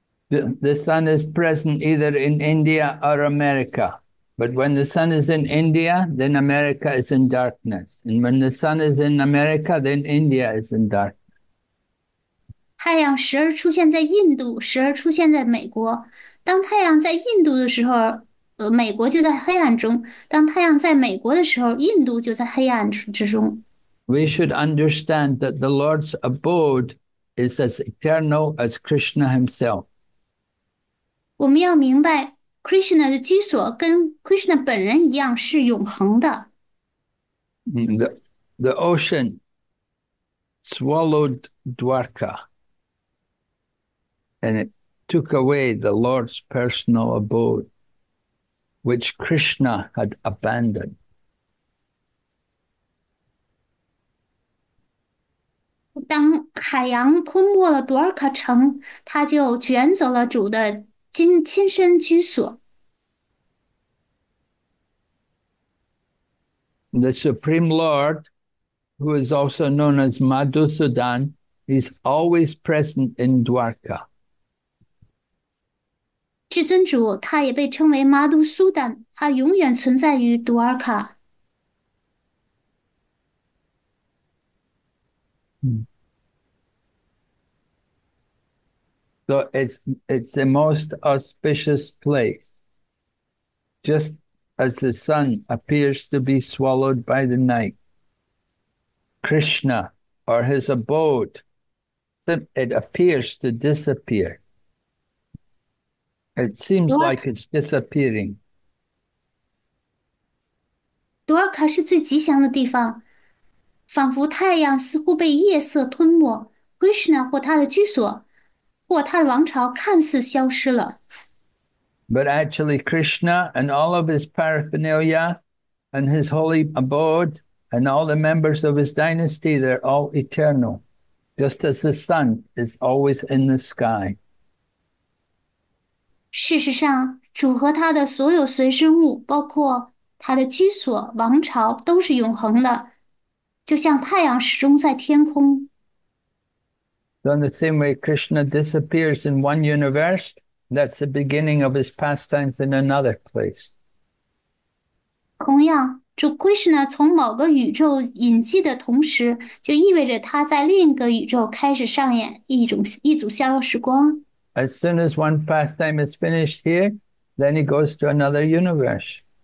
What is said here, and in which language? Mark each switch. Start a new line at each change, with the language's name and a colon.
English: The sun is present either in India or America. But when the sun is in India, then America is in darkness. And when the sun is in America, then India is in darkness.
Chinese: 太阳时而出现在印度，时而出现在美国。当太阳在印度的时候，美国就在黑暗中；当太阳在美国的时候，印度就在黑暗之中。
English: We should understand that the Lord's abode is as eternal as Krishna himself.
Chinese: 我们要明白，Krishna 的居所跟 Krishna 本人一样是永恒的。
English: The ocean swallowed Dwarka and it took away the Lord's personal abode, which Krishna had abandoned.
Chinese: 当海洋吞没了多尔卡城，他就卷走了主的亲身居所。
English: The Supreme Lord, who is also known as Madhusudan, is always present in Dwarka.
Chinese: 至尊主，他也被称为马杜苏丹，他永远存在于多尔卡。
English: So it's the most auspicious place. Just as the sun appears to be swallowed by the night, Krishna or his abode, it appears to disappear. It seems like it's disappearing.
Chinese: Dwarka 是最吉祥的地方，仿佛太阳似乎被夜色吞没，Krishna 或他的居所，或他的王朝看似消失了。
English: But actually, Krishna and all of his paraphernalia and his holy abode and all the members of his dynasty, they're all eternal, just as the sun is always in the sky.
Chinese: 事实上，主和他的所有随身物，包括他的居所、王朝，都是永恒的，就像太阳始终在天空。
English: So, in the same way, Krishna disappears in one universe. That's the beginning of his pastimes in another place.
Chinese: 同样，主 Krishna 从某个宇宙隐迹的同时，就意味着他在另一个宇宙开始上演一组逍遥时光。
English: As soon as one pastime is finished here, then he goes to another universe.